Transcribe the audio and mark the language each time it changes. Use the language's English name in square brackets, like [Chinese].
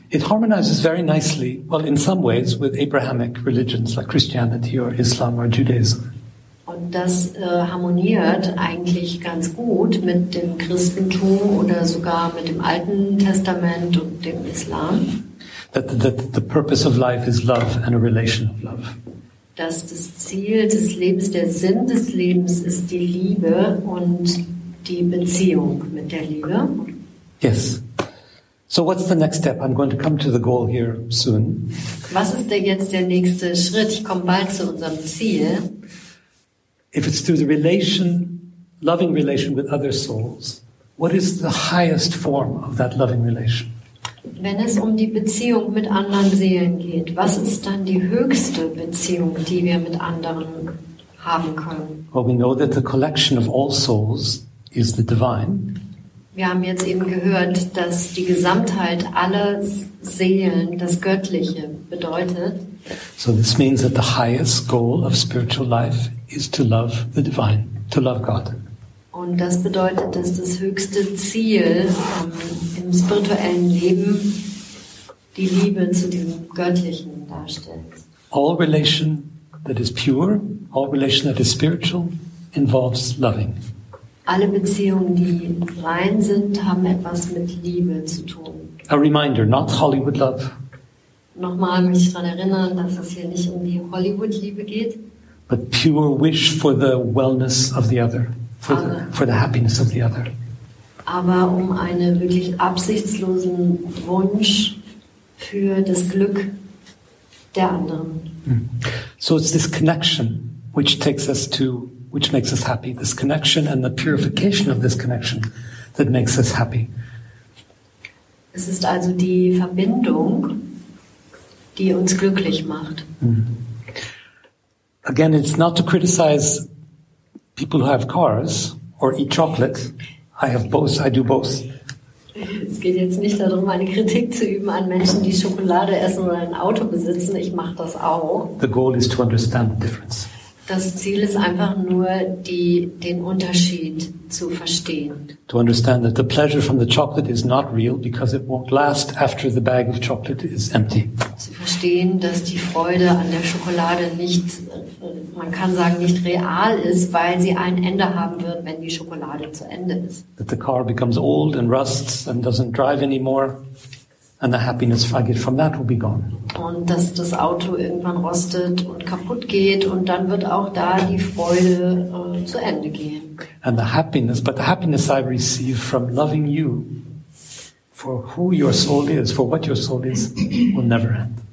[English] It harmonizes very nicely, well, in some ways, with Abrahamic religions like Christianity or Islam or Judaism. [German] Und das harmoniert eigentlich ganz gut mit dem Christentum oder sogar mit dem Alten Testament und dem Islam. [English] That the purpose of life is love and a relation of love. [German] Dass das Ziel des Lebens, der Sinn des Lebens ist die Liebe und die Beziehung mit der Liebe. [English] Yes. So what's the next step? I'm going to come to the goal here soon. [German] Was ist denn jetzt der nächste Schritt? Ich komme bald zu unserem Ziel. [English] If it's through the relation, loving relation with other souls, what is the highest form of that loving relation? [German] Wenn es um die Beziehung mit anderen Seelen geht, was ist dann die höchste Beziehung, die wir mit anderen haben können? [English] Well, we know that the collection of all souls is the divine. [German] Wir haben jetzt eben gehört, dass die Gesamtheit aller Seelen das Göttliche bedeutet. [English] So this means that the highest goal of spiritual life is to love the divine, to love God. [German] Und das bedeutet, dass das höchste Ziel im spirituellen Leben die Liebe zu dem Göttlichen darstellt. [English] All relation that is pure, all relation that is spiritual, involves loving. [German] Alle Beziehungen, die rein sind, haben etwas mit Liebe zu tun. [English] A reminder, not Hollywood love. [German] Nochmal möchte ich daran erinnern, dass es hier nicht um die Hollywood-Liebe geht. [English] But pure wish for the wellness of the other, for the happiness of the other. [German] Aber um einen wirklich absichtslosen Wunsch für das Glück der anderen. [English] So it's this connection which takes us to, which makes us happy. This connection and the purification of this connection that makes us happy. [German] Es ist also die Verbindung, die uns glücklich macht. [English] Again, it's not to criticize people who have cars or eat chocolate. I have both. I do both. [German] Es geht jetzt nicht darum, eine Kritik zu üben an Menschen, die Schokolade essen oder ein Auto besitzen. Ich mache das auch. [English] The goal is to understand the difference. [German] Das Ziel ist einfach nur, den Unterschied zu verstehen. [English] To understand that the pleasure from the chocolate is not real because it won't last after the bag of chocolate is empty. [German] Zu verstehen, dass die Freude an der Schokolade nicht, man kann sagen, nicht real ist, weil sie ein Ende haben wird, wenn die Schokolade zu Ende ist. [English] That the car becomes old and rusts and doesn't drive anymore. And the happiness I get from that will be gone. [German] Und dass das Auto irgendwann rostet und kaputt geht und dann wird auch da die Freude zu Ende gehen. [English] And the happiness, but the happiness I receive from loving you for who your soul is, for what your soul is, will never end.